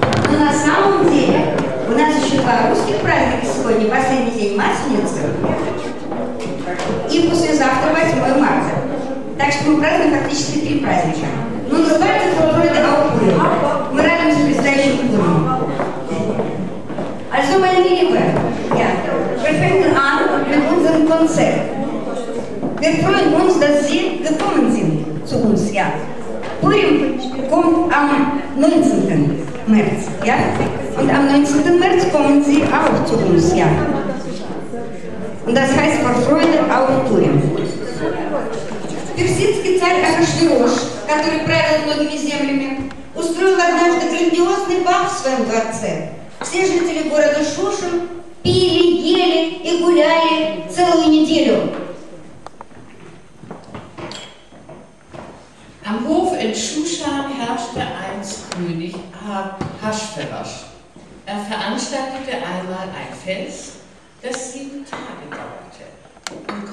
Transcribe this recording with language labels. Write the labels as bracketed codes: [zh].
[ru] Но на самом деле у нас еще два русских праздника сегодня – последний день Масленицы и послезавтра 8 марта. Так что мы празднуем фактически три праздника. Но называется «Форфройда Аутури». Мы радуемся настоящему Гуриму. [de] Also meine Liebe, ja, wir fangen an mit unserem Konzert. Wir freuen uns, dass Sie gekommen sind zu uns, ja. Purim kommt am 19. März, ja. Und am 19. März kommen Sie auch zu uns, ja. Und das heißt, vor Freude auf Purim. [ru] Персидский царь Ахашвирош, который правил многими землями, устроил однажды грандиозный бал в своем дворце. Все жители города Шуши пили, ели и гуляли целую неделю. [de] Am Hof in Shushan herrschte einst König Ahasverosh. Er veranstaltete einmal ein Fest, das 7 Tage dauerte.